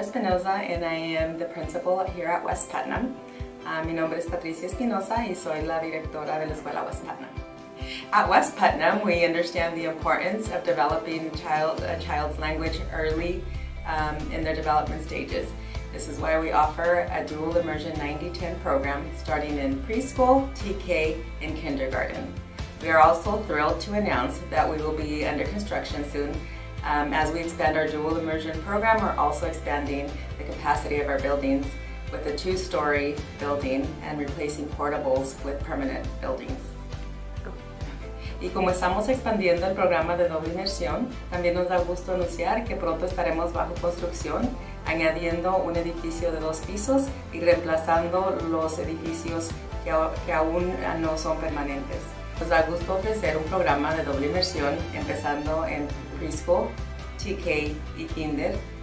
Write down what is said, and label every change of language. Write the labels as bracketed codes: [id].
[en] Espinoza and I am the principal here at West Putnam. [es] Mi nombre es Patricia Espinoza y soy la directora de la Escuela West Putnam. [en] At West Putnam, we understand the importance of developing a child's language early in their development stages. This is why we offer a dual immersion 90-10 program starting in preschool, TK, and kindergarten. We are also thrilled to announce that we will be under construction soon. As we expand our dual immersion program, we're also expanding the capacity of our buildings with a two-story building and replacing portables with permanent buildings. [es] Y como estamos expandiendo el programa de doble inmersión, también nos da gusto anunciar que pronto estaremos bajo construcción, añadiendo un edificio de dos pisos y reemplazando los edificios que aún no son permanentes. Nos da gusto ofrecer un programa de doble inmersión empezando en preschool, TK y kinder.